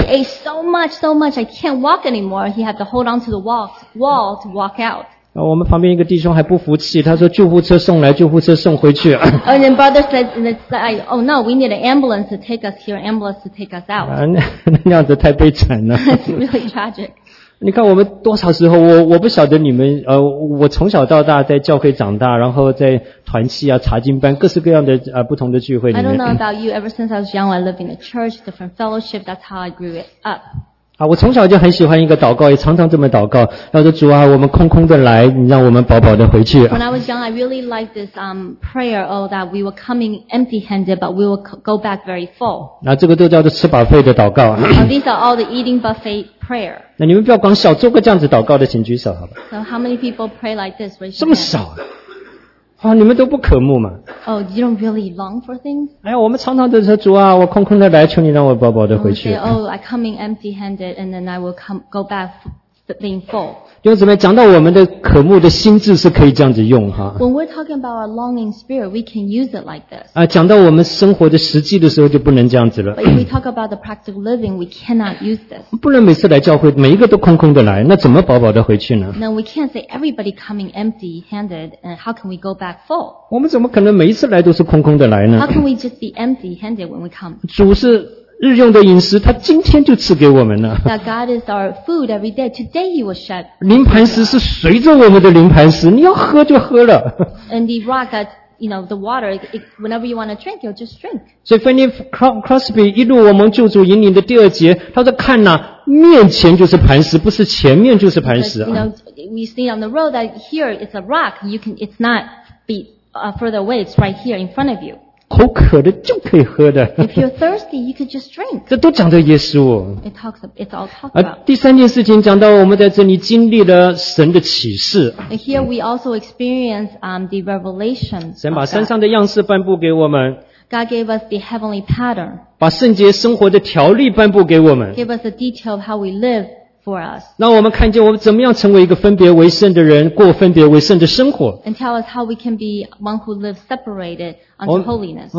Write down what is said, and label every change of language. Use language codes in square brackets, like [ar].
[en] He ate so much, I can't walk anymore. He had to hold on to the wall to walk out. [zh] 然后我们旁边一个弟兄还不服气，他说救护车送来，救护车送回去。 [en] And then brother said, "Oh no, we need an ambulance to take us here. Ambulance to take us out." [zh] 那样子太悲惨了。 [en] It's really tragic. [zh] 你看我们多少时候我不晓得你们我从小到大在教会长大，然后在团契啊查经班各式各样的不同的聚会里面。 [en] I don't know about you, ever since I was young, I lived in a church, different fellowship, that's how I grew it up. [zh] 啊，我从小就很喜欢一个祷告，也常常这么祷告，要说主啊，我们空空的来，你让我们饱饱的回去。 [en] When I was young, I really liked this prayer, that we were coming empty-handed, but we will go back very full. [zh] 那这个都叫做吃buffet的祷告。 [en] These are all the eating buffet. Prayer. [zh] 那你们不要光笑，做个这样子祷告的，请举手，好吧 [en] ？So how many people pray like this? [zh] 这么少啊！啊，你们都不渴慕嘛 [en] ？Oh, you don't really long for things. [zh] 哎呀，我们常常都说主啊，我空空的来，求你让我饱饱的回去。 [en] Oh, I come in empty-handed, and then I will go back being full. [zh] 弟兄姊妹，讲到我们的渴慕的心智是可以这样子用哈。 [en] When we're talking about our longing spirit, we can use it like this. [zh] 啊，讲到我们生活的实际的时候就不能这样子了。 [en] But if we talk about the practical living, we cannot use this. [zh] 不能每次来教会，每一个都空空的来，那怎么饱饱的回去呢 [en] ？No, we can't say everybody coming empty-handed, and how can we go back full? [zh] 我们怎么可能每一次来都是空空的来呢 [en] ？How can we just be empty-handed when we come? [zh] 主是。日用的饮食他今天就赐给我们了。 [en] That God is our food every day. Today he will shed. [zh] 灵磐石是随着我们的灵磐石，你要喝就喝了。 [en] And the rock that, you know, the water, whenever you want to drink, you'll just drink. [zh] 所以芬妮·克罗斯比一路我们救主引领的第二节，他说看哪，面前就是磐石，不是前面就是磐石。 [en] You know, we see on the road that here it's a rock. It's not be further away. It's right here in front of you. [zh] 口渴的就可以喝的。 [en] If you're thirsty, you could just drink. [zh] 这都讲到耶稣。 [en] It talks, it's all talked about. [zh] 第三件事情讲到我们在这里经历了神的启示。 [en] And here we also experience the revelation. [zh] 神把山上的样式颁布给我们。 [en] God gave us the heavenly pattern. [zh] 把圣洁生活的条例颁布给我们。 [en] Give us the detail of how we live. For us. [zh] 让我们看见我们怎么样成为一个分别为圣的人，过分别为圣的生活。 [en] And tell us how we can be one who lives separated unto holiness.